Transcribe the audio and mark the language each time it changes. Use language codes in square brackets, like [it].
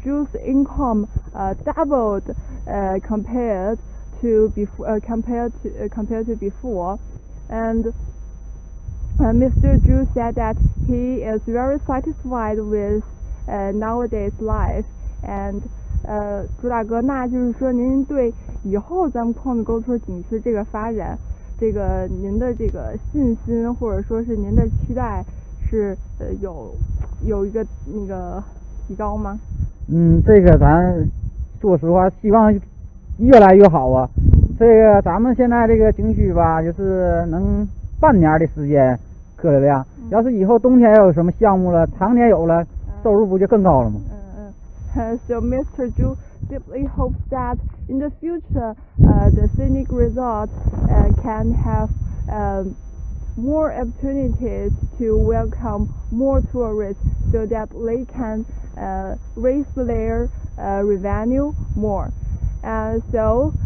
[en] Zhu's income doubled compared to before, and Mr. Zhu said that he is very satisfied with nowadays life. [zh] And 朱大哥，那就是说您对以后咱们矿子沟村景区这个发展这个您的这个信心或者说是您的期待是有一个那个提高吗？嗯，这个咱说实话希望越来越好啊。这个咱们现在这个景区吧，就是能半年的时间客流量，要是以后冬天有什么项目了，常年有了，收入不就更高了吗？ [en] 嗯嗯。So Mr. Zhu deeply hopes that in the future, the scenic resort can have more opportunities to welcome more tourists, so that they can raise their revenue more. So.